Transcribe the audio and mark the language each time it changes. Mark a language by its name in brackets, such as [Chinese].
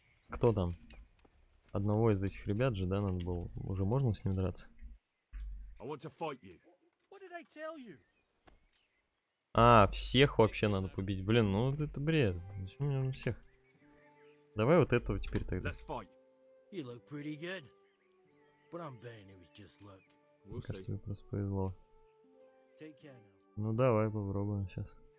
[Russian] Кто там? Одного из этих ребят же, да, надо было? Уже можно с ним драться? А, всех вообще надо побить. Блин, ну это бред. Зачем мне всех? Давай вот этого теперь тогда. [English] You look pretty good, but I'm betting it was just luck. We'll see. [Russian] Ну давай попробуем сейчас.